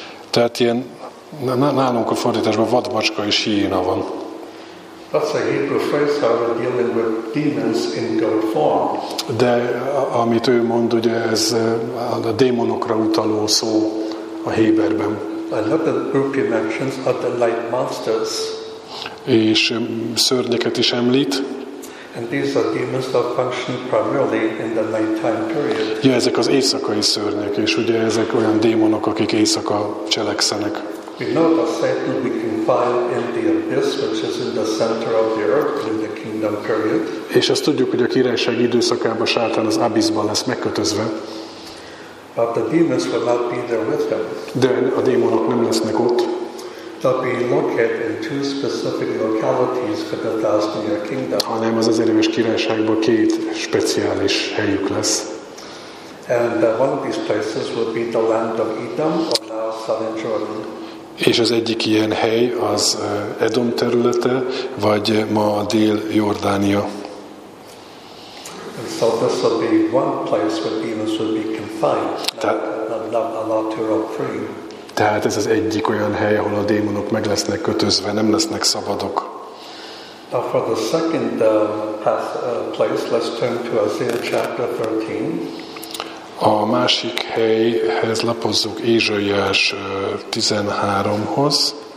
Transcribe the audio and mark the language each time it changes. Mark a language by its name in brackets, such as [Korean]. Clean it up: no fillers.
[Hungarian] Tehát ilyen, nálunk a fordításban vadmacska és hiéna van. [English] That's a Hebrew phrase, however, dealing with demons in goat form. [Hungarian] De amit ő mond, ugye ez a démonokra utaló szó a héberben. [English] Another group he mentions are the light monsters. [Hungarian] És szörnyeket is említ. [English] And these are demons that function primarily in the nighttime period. [Hungarian] Ja, ezek az éjszakai szörnyek, és ugye ezek olyan démonok, akik éjszaka cselekszenek. [English] We know that Satan we can find in the abyss, which is in the center of the earth in the kingdom period. [Hungarian] És azt tudjuk, hogy a királyság időszakában Sátán az abyszban lesz megkötözve. [English] But the demons will not be there with him. [Hungarian] De a démonok nem lesznek ott. [English] They'll be located in two specific localities for the thousand-year kingdom. [Hungarian] Hanem az ezer éves királyságban két speciális helyük lesz. [English] And one of these places would be the land of Edom, or now southern Jordan. [Hungarian] És az egyik ilyen hely az Edom területe, vagy ma a Dél-Jordánia. [English] And so this will be one place where demons would be confined, not allowed to roam free. [Hungarian] Tehát ez az egyik olyan hely, ahol a démonok meg lesznek kötözve, nem lesznek szabadok. [English] Now for the second place, let's turn to Isaiah chapter 13. [Hungarian] A másik helyhez lapozzuk Ézsaiás 13-hoz.